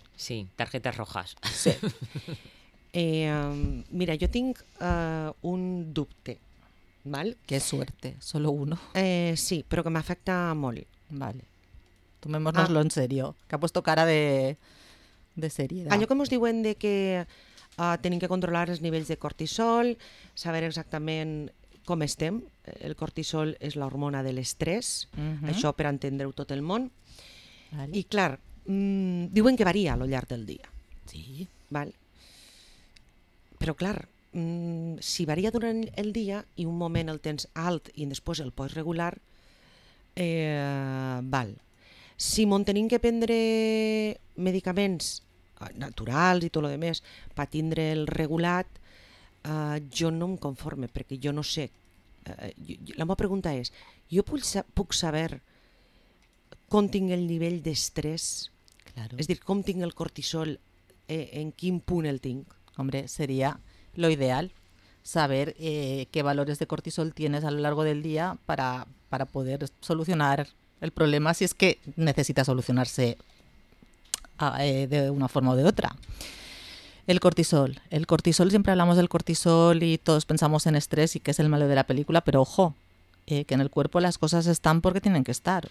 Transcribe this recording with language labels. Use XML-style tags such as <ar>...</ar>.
<es>Sí, tarjetas rojas. Sí. Mira, yo tengo un dubte. ¿Vale? Qué suerte, solo uno. Sí, pero que me afecta molt. Vale. Tomémonoslo en serio, que ha puesto cara de seriedad.</es> <ca>Allò que mos diuen de que tenim que controlar els nivells de cortisol, saber exactament com estem. El cortisol és la hormona de l'estrès, això per entendre-ho tot el món. Vale. I clar, diuen que varia al llarg del dia. Sí. Vale. Però clar, si varia durant el dia i un moment el tens alt i després el pots regular, val. Si m'ho tenim que prendre medicaments naturals i tot el que més per tindre el regulat, jo no em conforme, perquè jo no sé. La meva pregunta és, jo puc saber com tinc el nivell d'estrès?</ca> <es>Claro.</es> <ca>És a dir, com tinc el cortisol, en quin punt el tinc?</ca> <es>Hombre, seria lo ideal, saber qué valores de cortisol tienes a lo largo del día para poder solucionar el problema, si es que necesita solucionarse de una forma o de otra. El cortisol, siempre hablamos del cortisol y todos pensamos en estrés y que es el malo de la película, pero ojo, que en el cuerpo las cosas están porque tienen que estar.</es>